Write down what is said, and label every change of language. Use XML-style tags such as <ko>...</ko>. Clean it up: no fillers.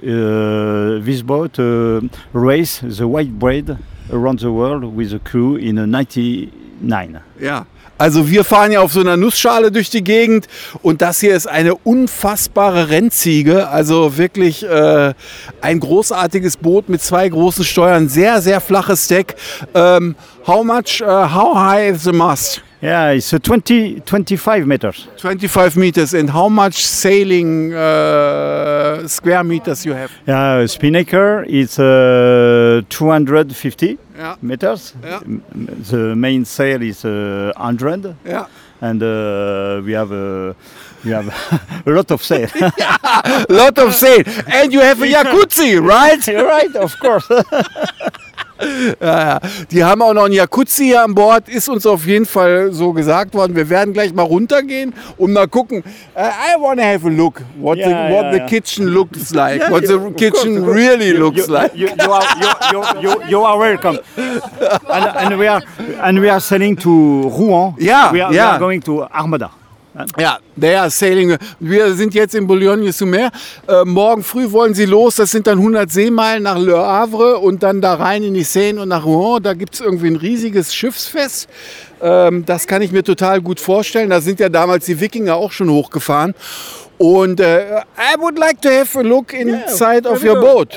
<en>This boat raced the white bread around the world with a crew in 99. Yeah.</en> <de>Also wir fahren ja auf so einer Nussschale durch die Gegend und das hier ist eine unfassbare Rennziege. Also wirklich ein großartiges Boot mit 2 großen Steuern, sehr, sehr flaches Deck.</de> <en>How high is the mast? Yeah, it's 25 meters. 25 meters. And how much sailing square meters you have? Yeah, Spinnaker is 250 yeah. meters. Yeah. The main sail is 100. Yeah. And we have a lot of sail. Yeah, lot of sail. And you have a jacuzzi, right? Right, of course.</en> <de>Die haben auch noch einen Jacuzzi hier an Bord, ist uns auf jeden Fall so gesagt worden. Wir werden gleich mal runtergehen und mal gucken.</de> <en>I want to have a look, what the kitchen looks like, yeah, what the kitchen really looks like. You are welcome. And we are sailing to Rouen. Yeah, we are going to Armada.</en> <de>Ja,</de> <en>they are sailing.</en> <de>Wir sind jetzt in Boulogne-sur-Mer. Morgen früh wollen sie los. Das sind dann 100 Seemeilen nach Le Havre und dann da rein in die Seine und nach Rouen. Da gibt es irgendwie ein riesiges Schiffsfest. Das kann ich mir total gut vorstellen. Da sind ja damals die Wikinger auch schon hochgefahren.</de> <en>Und I would like to have a look inside of your boat.</en>